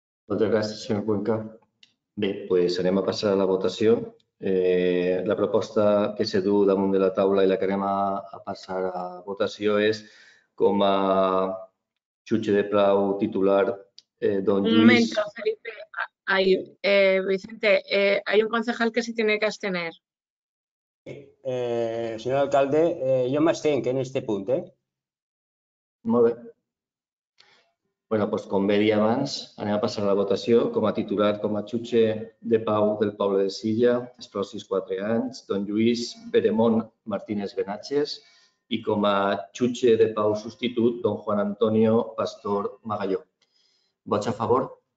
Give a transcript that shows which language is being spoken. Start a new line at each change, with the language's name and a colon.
Catalan: Moltes gràcies, senyor Cuenca. Bé, doncs anem a passar a la votació. La proposta que se du damunt de la taula i la que anem a passar a votació és com a jutge de pau titular don Lluís... Un moment, Felipe.
Spanish: Ay, Vicente, hay un concejal que se tiene que abstener. Señor alcalde, yo me abstengo en este punto. Muy bien.
Catalan: Bueno, pues con Bedi Avance, anem a pasar a la votació. Com a titular, com a jutge de pau del poble de Silla, després 6-4 anys, don Lluís Peremón Martínez Benatges, i com a jutge de pau substitut, don Juan Antonio Pastor Magalló. Vots a favor?